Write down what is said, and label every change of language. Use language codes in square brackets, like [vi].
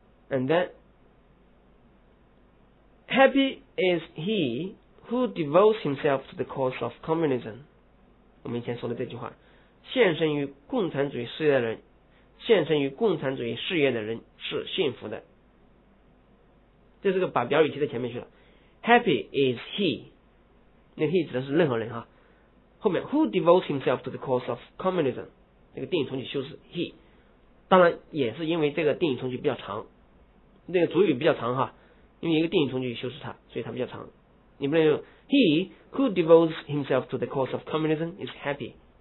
[en] And then Happy is heWho devotes himself to the cause of communism? [zh] 我们以前说的这句话，献身于共产主义事业的人，是幸福的。这是个把表语提在前面去了。 [en] Happy is he. [zh] 那个 he 指的是任何人哈。后面 [en] who devotes himself to the cause of communism? [zh] 那个定语从句修饰 he. 当然也是因为这个定语从句比较长，那个主语比较长哈，因为一个定语从句修饰它，所以它比较长。你不能用 [en] He who devotes himself to the cause of communism is happy.